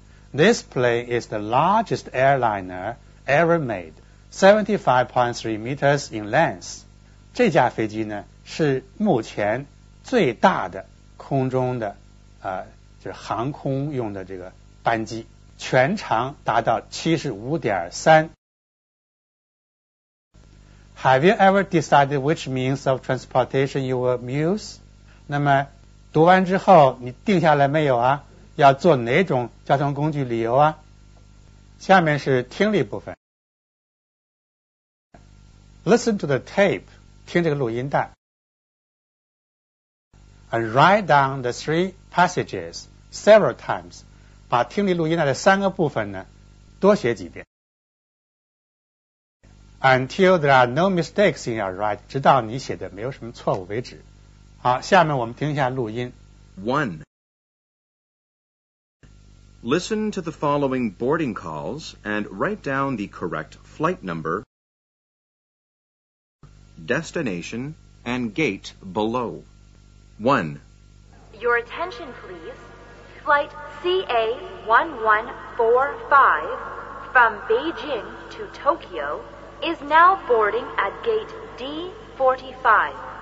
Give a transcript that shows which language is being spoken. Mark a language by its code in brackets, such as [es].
[en] This plane is the largest airliner ever made， 75.3 meters in length。 [zh] 这架飞机呢是目前最大的空中的就是航空用的这个班机，全长达到 75.3。 [en] Have you ever decided which means of transportation you will use? [zh] 那么读完之后你定下来没有啊？要坐哪种交通工具旅游啊？下面是听力部分。 [en] Listen to the tape， [zh] 听这个录音带。 [en] And write down the three passages several times， [zh] 把听力录音带的三个部分呢，多写几遍。 [en] until there are no mistakes in your write, [zh] 直到你写的没有什么错误为止。好，下面我们听一下录音。 [en] One. Listen to the following boarding calls and write down the correct flight number, destination, and gate below. One. Your attention, please. Flight CA1145 from Beijing to Tokyo is now boarding at gate D45.